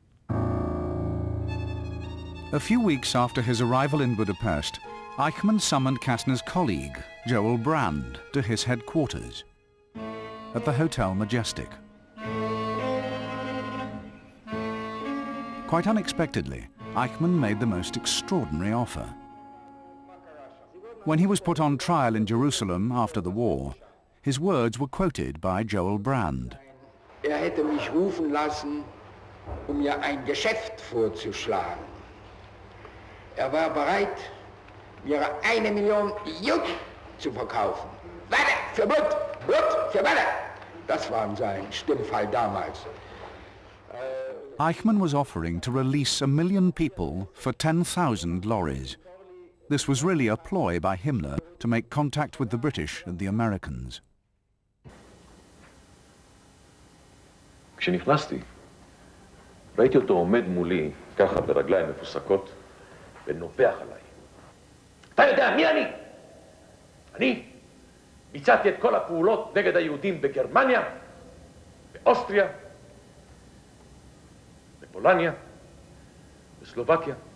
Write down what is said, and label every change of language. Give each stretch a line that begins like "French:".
English: A few weeks after his arrival in Budapest, Eichmann summoned Kastner's colleague, Joel Brand, to his headquarters at the Hotel Majestic. Quite unexpectedly, Eichmann made the most extraordinary offer. When he was put on trial in Jerusalem after the war, his words were quoted by Joel Brand.
German: Er hätte mich rufen lassen, um mir ein Geschäft vorzuschlagen. Er war bereit, mir 1 Million Juden zu verkaufen. Werde für Blut, Blut für Werde. Das war sein Stimmfall damals.
English: Eichmann was offering to release 1 million people for 10,000 lorries. This was really a ploy by Himmler to make contact with the British and the Americans.
Hebrew: כשנכנסתי, ראיתי אותו עומד מולי, ככה ברגליים מפוסקות, ונופח עליי. אתה יודע מי אני? אני ביצעתי את כל הפעולות נגד היהודים בגרמניה, באוסטריה, בפולניה, בסלובקיה.